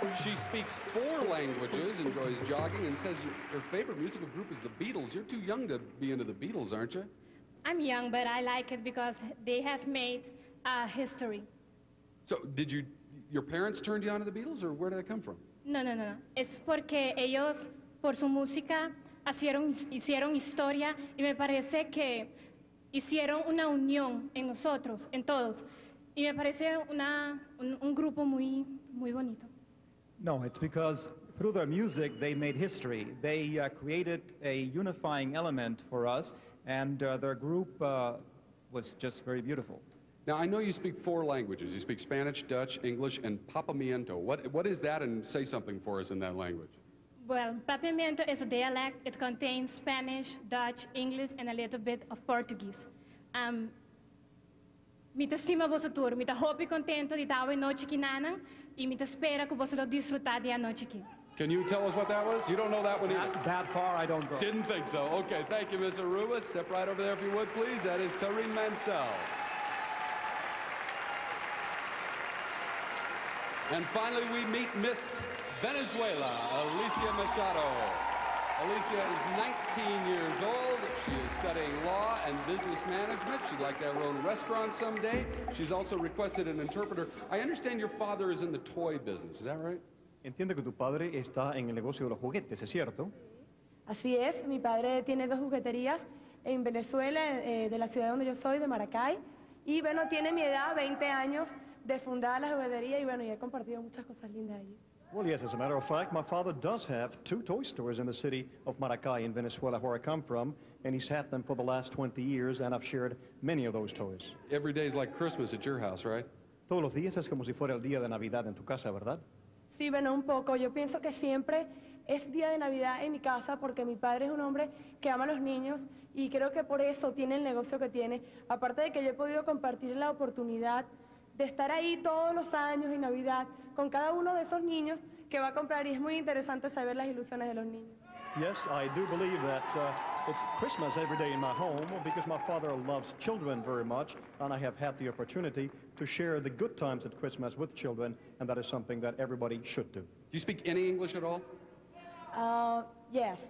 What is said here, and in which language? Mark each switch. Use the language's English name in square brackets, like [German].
[English] She speaks four languages, enjoys jogging, and says her favorite musical group is the Beatles. You're too young to be into the Beatles, aren't you? I'm young, but I like it because they have made history. So did your parents turned you on to the Beatles, or where did that come from? No. [Spanish] Es porque ellos, por su música, hicieron historia, y me parece que hicieron una unión en nosotros, en todos. Y me parece un grupo muy, muy bonito. [English] No, it's because through their music, they made history. They created a unifying element for us, and their group was just very beautiful. Now, I know you speak four languages. You speak Spanish, Dutch, English, and Papamiento. What is that, and say something for us in that language? Well, Papamiento is a dialect. It contains Spanish, Dutch, English, and a little bit of Portuguese. [Papiamento] Mita estima vosso tour, mita hopi contento di tal noche que nanan, y mita espera que vosso lo disfrutar di a noche que. [English] Can you tell us what that was? You don't know that one either. That far, I don't go. Didn't think so. Okay, thank you, Ms. Aruba. Step right over there if you would, please. That is Tareen Mansell. And finally, we meet Miss Venezuela, Alicia Machado. Alicia is 19 years old. She is studying law and business management. She'd like to have her own restaurant someday. She's also requested an interpreter. I understand your father is in the toy business. Is that right? [Spanish] Entiendo que tu padre está en el negocio de los juguetes, ¿es cierto? Así es. Mi padre tiene dos jugueterías en Venezuela, de la ciudad donde yo soy, de Maracay. Y bueno, tiene mi edad, 20 años, de fundar la juguetería. Y bueno, y he compartido muchas cosas lindas allí. [English] Well, yes, as a matter of fact, my father does have two toy stores in the city of Maracay in Venezuela, where I come from, and he's had them for the last 20 years, and I've shared many of those toys. Every day is like Christmas at your house, right? [Spanish] Todos los días es como si fuera el día de Navidad en tu casa, ¿verdad? Sí, bueno, un poco. Yo pienso que siempre es día de Navidad en mi casa porque mi padre es un hombre que ama a los niños y creo que por eso tiene el negocio que tiene. Aparte de que yo he podido compartir la oportunidad de estar ahí todos los años en Navidad con cada uno de esos niños que va a comprar y es muy interesante saber las ilusiones de los niños. [English] Yes, I do believe that it's Christmas every day in my home because my father loves children very much and I have had the opportunity to share the good times at Christmas with children and that is something that everybody should do. Do you speak any English at all? Yes.